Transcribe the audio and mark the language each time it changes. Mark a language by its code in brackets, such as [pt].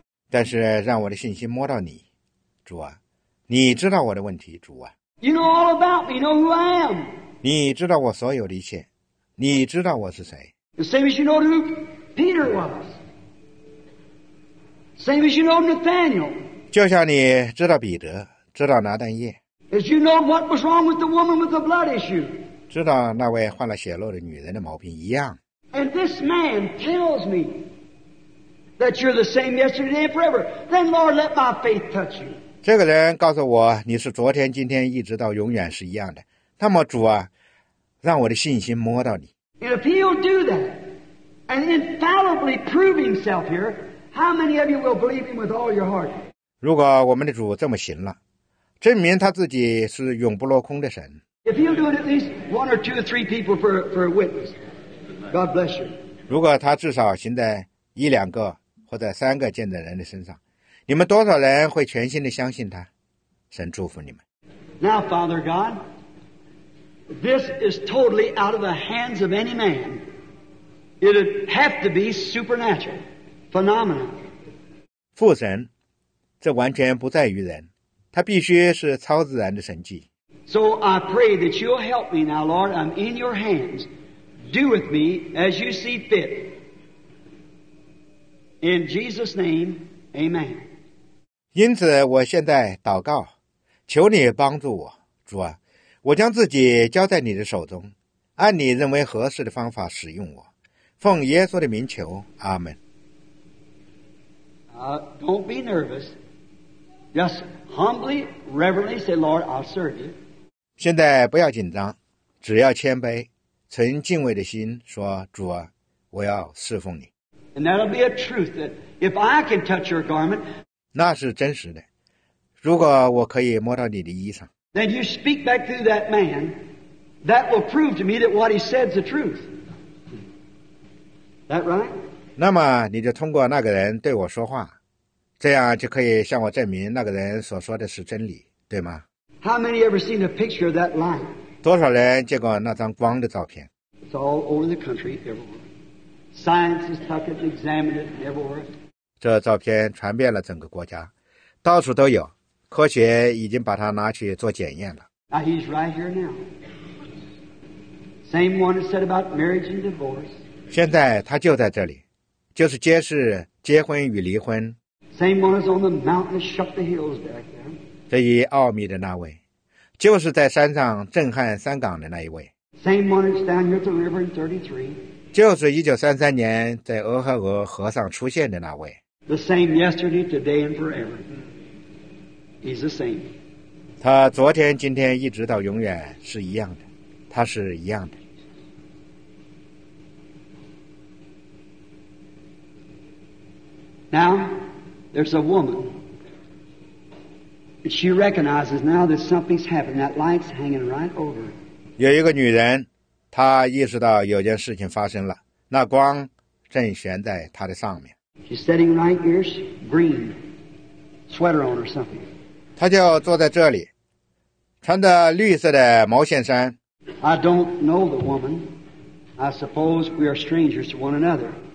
[zh] 但是让我的信心摸到你，主啊，你知道我的问题，主啊。 [en] You know all about me, know who I am. [zh] 你知道我所有的一切，你知道我是谁。 [en] The same as you know who Peter was. Same as you know Nathaniel. [zh] 就像你知道彼得，知道拿但业。 [en] As you know what was wrong with the woman with the blood issue. [zh] 知道那位患了血漏的女人的毛病一样。 [en] And this man tells me that you're the same yesterday and forever. Then Lord, let my faith touch you. [zh] 这个人告诉我你是昨天、今天一直到永远是一样的。那么主啊，让我的信心摸到你。 [en] And if he'll do that and infallibly prove himself here, how many of you will believe him with all your heart? [zh] 如果我们的主这么行了，证明他自己是永不落空的神。 [en] If you do it at least one or two or three people for a witness, God bless you. [zh] 如果他至少行在一两个或者三个见证人的身上，你们多少人会全心的相信他？神祝福你们。 [en] Now, Father God, this is totally out of the hands of any man. It would have to be supernatural, phenomenal. [zh] 父神。这完全不在于人，它必须是超自然的神迹。 [en] So I pray that you'll help me now, Lord. I'm in your hands. Do with me as you see fit. In Jesus' name, Amen. [zh] 因此，我现在祷告，求你帮助我，主啊，我将自己交在你的手中，按你认为合适的方法使用我。奉耶稣的名求，阿门。 [en] Don't be nervous. Just humbly, reverently say, Lord, I'll serve you. [zh] 现在不要紧张，只要谦卑，存敬畏的心说，主啊，我要侍奉你。 [en] And that'll be a truth that if I can touch your garment, [zh] 那是真实的。如果我可以摸到你的衣裳 [en] then you speak back through that man, that will prove to me that what he said is the truth. That right? [zh] 那么你就通过那个人对我说话，这样就可以向我证明那个人所说的是真理，对吗？ [en] How many ever seen a picture of that light? [zh] 多少人见过那张光的照片？ [en] It's all over the country, everywhere. Science has took it and examined it everywhere. [zh] 这照片传遍了整个国家，到处都有，科学已经把它拿去做检验了。 [en] Now he's right here now. Same one said about marriage and divorce. [zh] 现在他就在这里。就是揭示结婚与离婚。 [en] Same one is on the mountain, shut the hills back there. [zh] 这一奥秘的那位，就是在山上震撼山岗的那一位。 [en] Same one is down here at the river in 33. [zh] 就是1933年在俄亥俄河上出现的那位。 [en] The same yesterday, today, and forever. He's the same. [zh] 他昨天、今天一直到永远是一样的，他是一样的。 [en] Now, there's a woman She recognizes now that something's happened. That light's hanging right over. [zh] 有一个女人，她意识到有件事情发生了，那光正悬在她的上面。 [en] She's sitting right here, green sweater on or something. [zh] 她就坐在这里，穿着绿色的毛线衫。 [en] I don't know the woman. I suppose we are strangers to one another.